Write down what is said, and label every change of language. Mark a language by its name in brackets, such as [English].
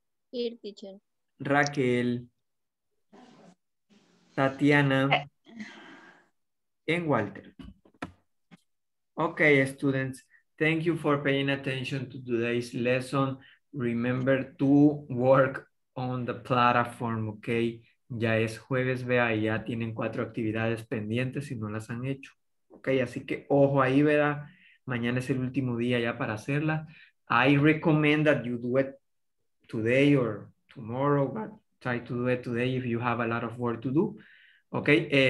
[English] Here, teacher. Raquel. Tatiana. And Walter. Okay, students, thank you for paying attention to today's lesson. Remember to work on the platform, okay? [Spanish] Ya es jueves, vea, y ya tienen 4 actividades pendientes y no las han hecho, okay? Así que ojo ahí, vea, mañana es el último día ya para hacerlas. [English] I recommend that you do it today or tomorrow, but try to do it today if you have a lot of work to do, okay?